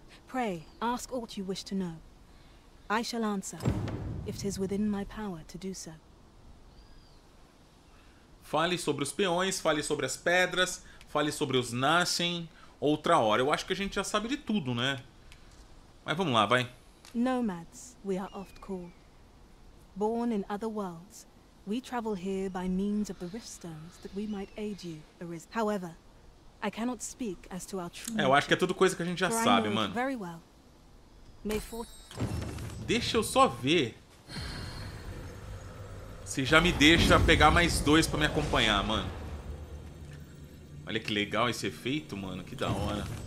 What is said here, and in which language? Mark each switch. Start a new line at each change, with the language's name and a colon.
English: Pray, ask aught you wish to know. I shall answer, if 'tis within my power to do so.
Portuguese: Fale sobre os peões, fale sobre as pedras, fale sobre os nascem, outra hora. Eu acho que a gente já sabe de tudo, né? Mas vamos lá, vai.
English: Nomads, we are oft called. Born in other worlds, we travel here by means of the Rift Stones that we might aid you, Arisen. However, I cannot speak as to our true.
Portuguese: É, eu acho que é tudo coisa que a gente já sabe, mano.
English: Very well. May fortune.
Portuguese: Deixa eu só ver se já me deixa pegar mais dois pra me acompanhar, mano. Olha que legal esse efeito, mano. Que da hora.